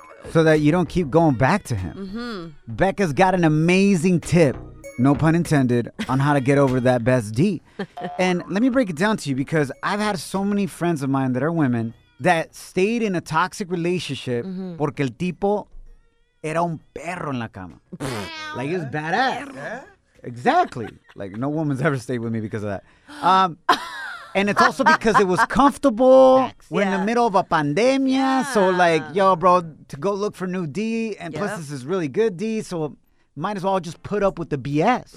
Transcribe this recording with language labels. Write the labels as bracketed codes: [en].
[en] So that you don't keep going back to him. Mm-hmm. Becca's got an amazing tip, no pun intended, on how to get over that best D. And let me break it down to you, because I've had so many friends of mine that are women that stayed in a toxic relationship mm-hmm. [es] porque el tipo era un perro en la cama. [en] Like, he was badass. Exactly. Like, no woman's ever stayed with me because of that. And it's also because it was comfortable. Yeah. We're in the middle of a pandemia. Yeah. So like, yo, bro, to go look for new D. And plus, this is really good D. So might as well just put up with the BS.